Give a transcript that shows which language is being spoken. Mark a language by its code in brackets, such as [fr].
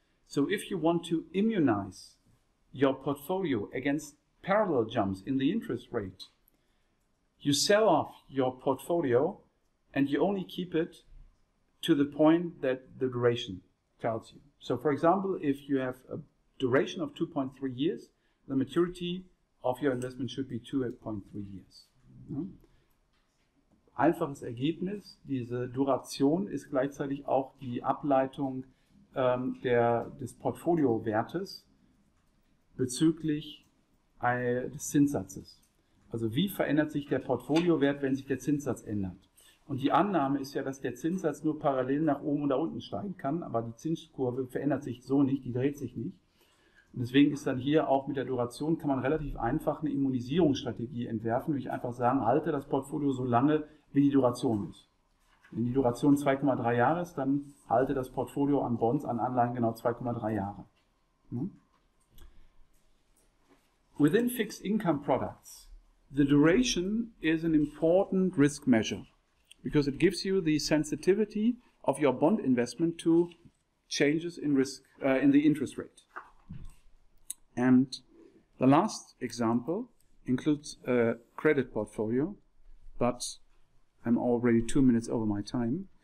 [en] So if you want to immunize your portfolio against parallel jumps in the interest rate, you sell off your portfolio and you only keep it to the point that the duration tells you. So for example, if you have a duration of 2.3 years, the maturity of your investment should be 2.3 years. [de] Einfaches Ergebnis, diese Duration ist gleichzeitig auch die Ableitung des Portfoliowertes bezüglich des Zinssatzes. Also wie verändert sich der Portfoliowert, wenn sich der Zinssatz ändert? Und die Annahme ist ja, dass der Zinssatz nur parallel nach oben und nach unten steigen kann, aber die Zinskurve verändert sich so nicht, die dreht sich nicht. Und deswegen ist dann hier auch mit der Duration, kann man relativ einfach eine Immunisierungsstrategie entwerfen, wie ich einfach sagen, halte das Portfolio so lange, wie die Duration ist. Wenn die Duration 2,3 Jahre ist, dann halte das Portfolio an Bonds, an Anleihen genau 2,3 Jahre. [en] Within fixed income products, the duration is an important risk measure, because it gives you the sensitivity of your bond investment to changes in risk, in the interest rate. And the last example includes a credit portfolio, but I'm already 2 minutes over my time.